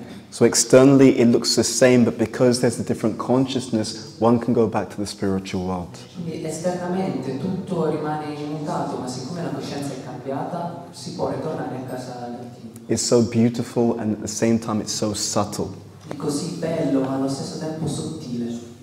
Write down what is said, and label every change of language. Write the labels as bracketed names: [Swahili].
[English] So externally it looks the same, but because there's a different consciousness, one can go back to the spiritual world. [Italian] Quindi esternamente tutto rimane immutato, ma siccome la coscienza è cambiata, si può ritornare a casa all'antico. [English] It's so beautiful and at the same time it's so subtle. [Italian] È così bello, ma allo stesso tempo sottile.